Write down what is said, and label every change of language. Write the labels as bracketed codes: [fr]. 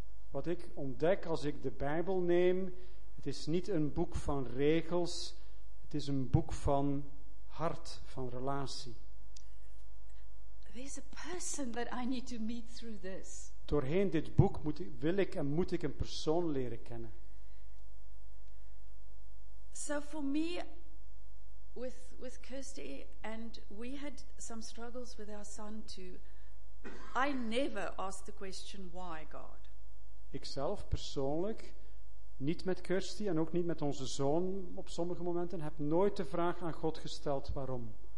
[nl] Wat ik ontdek als ik de Bijbel neem, het is niet een boek van regels, het is een boek van hart, van relatie. [en] There's a person that I need to meet through this. [nl] Doorheen dit boek moet ik een persoon leren kennen. [en] So for me, with Kirsty, and we had some struggles with our son too. I never asked the question why God. [nl] Ikzelf persoonlijk, niet met Kirsty en ook niet met onze zoon op sommige momenten, heb nooit de vraag aan God gesteld waarom.